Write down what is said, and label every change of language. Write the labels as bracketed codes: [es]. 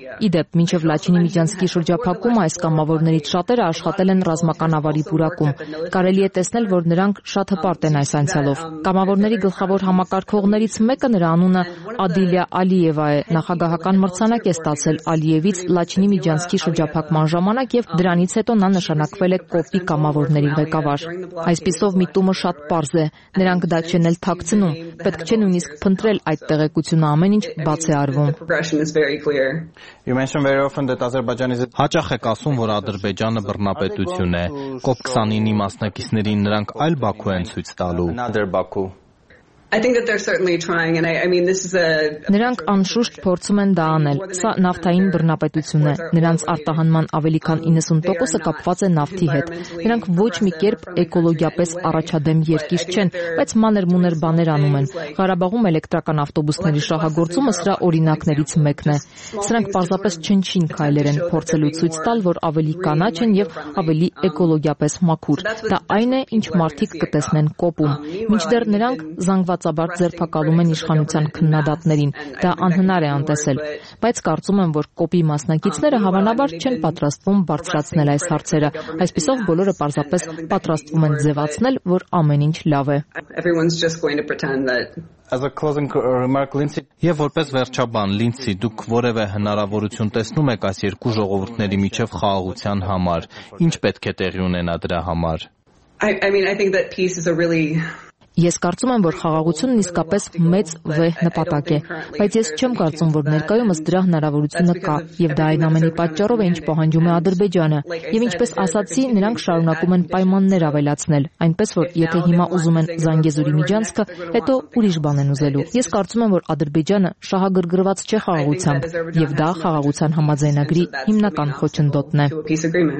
[hy] Իդեպ, մինչև Լաչինի միջանցքի շրջափակումը այս կամավորներից շատերը աշխատել են ռազմական ավարի պուրակում։ Կարելի է տեսնել, որ նրանք շատ հպարտ են այս անցյալով։ Կամավորների գլխավոր համակարգողներից մեկը, նրա անունը Ադիլիա Ալիևա է, նախագահական մրցանակ է ստացել Ալիևից Լաչինի միջանցքի շրջափակման ժամանակ, և դրանից հետո նա նշանակվել է կոպի կամավորների ղեկավար։ Այսպիսով միտումը շատ պարզ է, նրանք դա չեն էլ թաքցնում, պետք չէ նույնիսկ փնտրել այդ տեղեկությունը, ամեն ինչ բաց է արվում։ Հաճախ եք ասում, որ Ադրբեջանը բռնապետություն է, կոպ 29-ի մասնակիցներին նրանք այլ Բաքու են ցույց տալու։ [en] I think that they're certainly trying, and I mean this is a. [hy] Նրանք անշուշտ փորձում են դա անել։ Սա նավթային բռնապետություն է։ Նրանց արտահանման ավելի քան 90%-ը կապված է նավթի հետ։ Նրանք ոչ մի կերպ էկոլոգիապես առաջադեմ երկիր չեն, բայց մանր-մուներ բաներ անում են։ Ղարաբաղում էլեկտրական ավտոբուսների շահագործումը սրա օրինակներից մեկն է։ Սրանք պարզապես չնչին քայլեր են փորձելու ցույց տալ, որ ավելի կանաչ են եւ ավելի էկոլոգիապես մաքուր։ Դա այն է, ինչ մարդիկ կտեսնեն կոպում։ Մինչդեռ նրանք զանգվածաբար ձերբակալում են իշխանության քննադատներին, դա անհնար է անտեսել, բայց կարծում եմ, որ կոպի մասնակիցները հավանաբար չեն պատրաստվում բարձրացնել այս հարցերը, այսպիսով բոլորը պարզապես պատրաստվում են ձևացնել, որ ամեն ինչ լավ է։ [en] As a closing remark, Lindsay. [hy] Եվ որպես վերջաբան, Լինցի, դուք որևէ հնարավորություն տեսնում եք այս երկու ժողովուրդների միջև խաղաղության համար, ինչ պետք է տեղի ունենա դրա համար։ [en] I mean I think that peace is a really [hy] Ես կարծում եմ, որ խաղաղությունն իսկապես մեծ վեհ նպատակ է, բայց ես չեմ կարծում, որ ներկայումս դրա հնարավորությունը կա, եւ դա այն ամենի պատճառով է, ինչ պահանջում է Ադրբեջանը, եւ ինչպես ասացի, նրանք շարունակում են պայմաններ ավելացնել, այնպես որ եթե հիմա ուզում են Զանգեզուրի միջանցքը, հետո ուրիշ բան են ուզելու։ Ես կարծում եմ, որ Ադրբեջանը շահագրգռված չէ խաղաղությամբ, եւ դա խաղաղության համաձայնագրի հիմնական խոչընդոտն է։